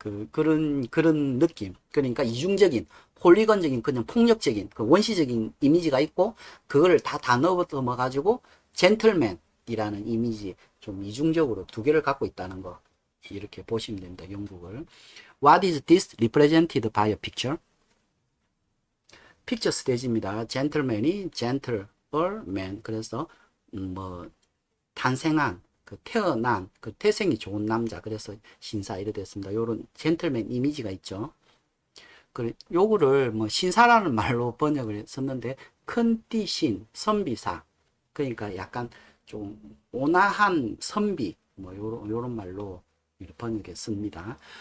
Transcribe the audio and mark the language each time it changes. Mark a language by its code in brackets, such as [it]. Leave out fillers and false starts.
[ko] 그런 느낌. 그러니까 이중적인 홀리건적인 그냥 폭력적인 그 원시적인 이미지가 있고 그거를 다 단어로 넘어 가지고 젠틀맨이라는 이미지 좀 이중적으로 두 개를 갖고 있다는 거 이렇게 보시면 됩니다. 영국을. [en] What is this represented by a picture? [ko] Picture 스테이지입니다. 젠틀맨이 젠틀얼맨 그래서 뭐 탄생한 그 태어난 그 태생이 좋은 남자 그래서 신사 이렇게 됐습니다. 요런 젠틀맨 이미지가 있죠. 그 요거를 뭐 신사라는 말로 번역을 썼는데 큰띠신 선비사 그러니까 약간 좀 온화한 선비 뭐 요런 말로 번역을 씁니다.